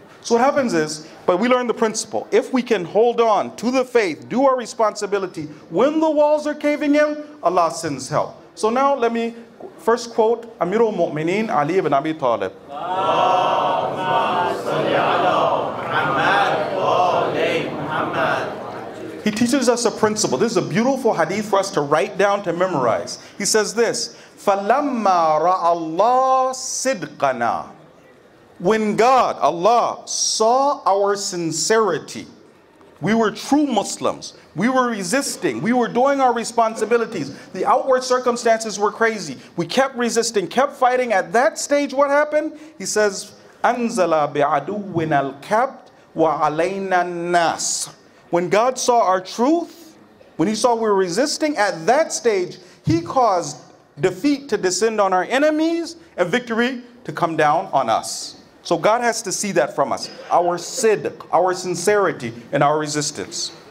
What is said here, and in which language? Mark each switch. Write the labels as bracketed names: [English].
[English] So what happens is, but we learn the principle. If we can hold on to the faith, do our responsibility, when the walls are caving in, Allah sends help. So now let me first quote Amir al-Mu'mineen Ali ibn Abi Talib. He teaches us a principle. This is a beautiful hadith for us to write down, to memorize. He says this, [Arabic] فَلَمَّا رَأَ اللَّهُ صِدْقَنَا. [English] When God, Allah, saw our sincerity, we were true Muslims, we were resisting, we were doing our responsibilities, the outward circumstances were crazy, we kept resisting, kept fighting, at that stage what happened? He says, [Arabic] أَنزَلَ بِعَدُوِّنَا الْكَبْتِ وَعَلَيْنَا النَّاسِ. [English] When God saw our truth, when he saw we were resisting, at that stage, he caused defeat to descend on our enemies and victory to come down on us. So God has to see that from us, our sidq, our sincerity, and our resistance.